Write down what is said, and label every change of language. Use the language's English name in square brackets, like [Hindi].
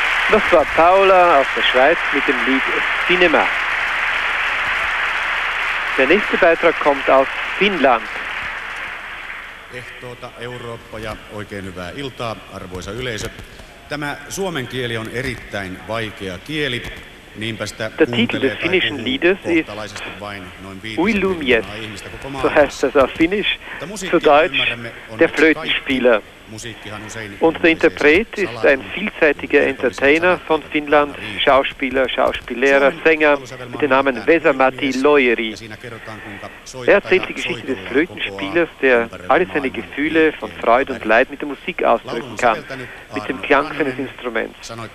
[German] Das war Paula aus der Schweiz mit dem Lied Cinema. Der nächste Beitrag kommt aus Finnland. [Finnish] Ehtoota Eurooppa ja oikein hyvää iltaa, arvoisa yleisö. Tämä suomen kieli on erittäin vaikea kieli, niinpä sitä kuuntelee tai kohtalaisesti vain noin 5 miljoonaa ihmistä koko maailmassa. [German] So heißt das auf Finnisch, zu Deutsch, der Flötenspieler. Unser Interpret ist ein vielseitiger Entertainer von Finnland, Schauspieler, Schauspiellehrer, Sänger mit dem Namen Vesa-Matti Loiri. Er erzählt die Geschichte des Flötenspielers, der alle seine Gefühle von Freude und Leid mit der Musik ausdrücken kann, mit dem Klang seines Instruments.